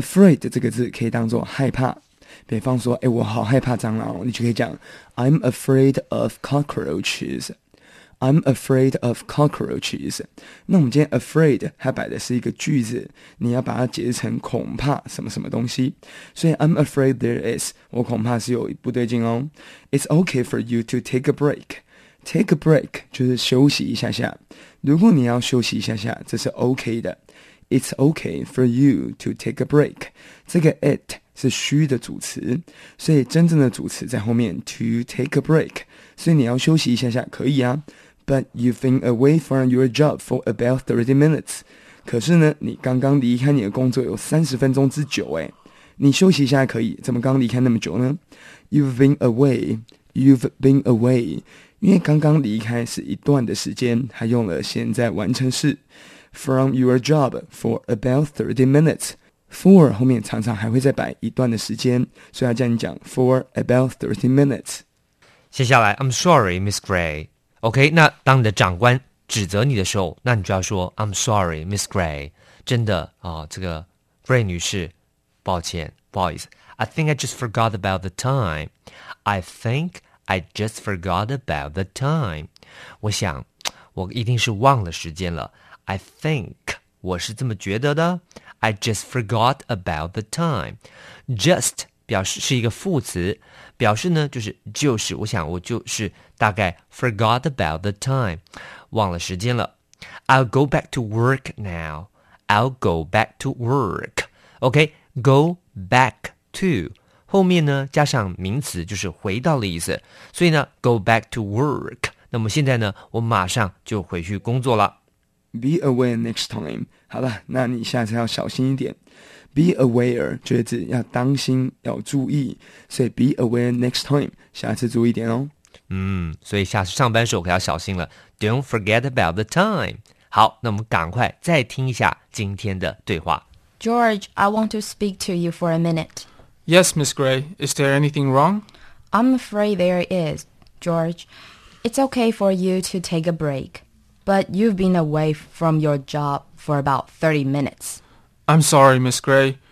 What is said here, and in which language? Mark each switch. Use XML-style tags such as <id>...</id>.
<zh>Afraid 这个字可以当作害怕，比方说，哎，我好害怕蟑螂，你就可以讲</zh> <en>I'm afraid of cockroaches. I'm afraid of cockroaches.</en> <zh>那我们今天 afraid 它摆的是一个句子，你要把它解释成恐怕什么什么东西。所以</zh> <en>I'm afraid there is</en> <zh>我恐怕是有不对劲哦。</zh> <en>It's okay for you to take a break. Take a break,</en> <zh>就是休息一下下。如果你要休息一下下，这是 OK 的。</zh> <en>It's okay for you to take a break.</en> <zh>这个 it 是虚的主词，所以真正的主词在后面</zh> <en>to take a break.</en> <zh>所以你要休息一下下可以啊。</zh> <en>But you've been away from your job for about 30 minutes.</en> <zh>可是呢，你刚刚离开你的工作有30分钟之久诶。你休息一下可以，怎么刚离开那么久呢？</zh> <en>You've been away. You've been away.</en> <zh>因为刚刚离开是一段的时间，他用了现在完成式</zh> <en>from your job for about 30 minutes。</en> <zh>For 后面常常还会再摆一段的时间，所以要这样讲</zh> <en>for about 30 minutes。</en> <zh>接下来</zh> <en>I'm sorry, Miss Gray。</en> <zh>OK, 那当你的长官指责你的时候，那你就要说 I'm sorry, Miss Gray。真的啊、哦，这个 Gray 女士，抱歉，不好意思。</zh> <en>I think I just forgot about the time. I think I just forgot about the time.</en> <zh>我想我一定是忘了时间了。 I think 我是这么觉得的。</zh> <en>I just forgot about the time.</en> <zh>Just 表示是一个副词，表示呢就是就是，我想我就是大概</zh> <en>forgot about the time，</en> <zh>忘了时间了。</zh> <en>I'll go back to work now. I'll go back to work.</en> <zh>OK, go back to 后面呢加上名词就是回到的意思，所以呢</zh> <en>go back to work，</en> <zh>那么现在呢我马上就回去工作了。</zh> <en>Be aware next time.</en> <zh>好了，那你下次要小心一点。 Be aware 就是要当心，要注意。所以</zh> <en>be aware next time，</en> <zh>下次注意一点哦。嗯，所以下次上班时候可要小心了。</zh> <en>Don't forget about the time.</en> <zh>好，那我们赶快再听一下今天的对话。</zh> <en>George, I want to speak to you for a minute. Yes, Miss Gray. Is there anything wrong? I'm afraid there is, George. It's okay for you to take a break. But you've been away from your job for about 30 minutes. I'm sorry, Miss Gray.</en>